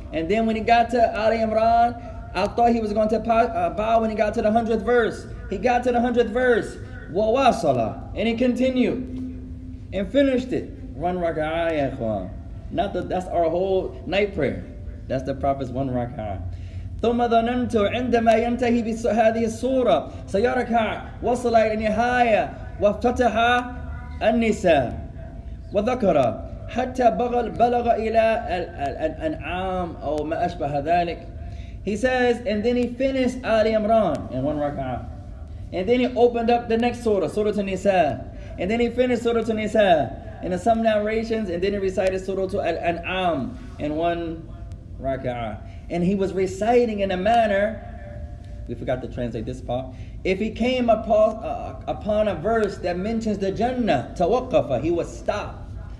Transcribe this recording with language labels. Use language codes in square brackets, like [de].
[en] And then when he got to Ali Imran, I thought he was going to bow when he got to the 100th verse. He got to the 100th verse. Wawasala. And he continued and finished it. One raka'ah, ya ikhwan. That's our whole night prayer. That's the Prophet's one raka'ah. [ar] ثم ظننت عندما ينتهي بهذه السورة سيركع وصل إلى النهاية وافتتح النساء وذكر حتى بلغ إلى الأنعام أو ما أشبه ذلك. [en] He says, and then he finished Ali Imran in one rak'ah. And then he opened up the next surah, Surah An-Nisa. And then he finished Surah An-Nisa in some narrations, and then he recited Surah Al-An'am in one rak'ah. And he was reciting in a manner, we forgot to translate this part, if he came upon a verse that mentions the Jannah, tawakkafa, he would stop.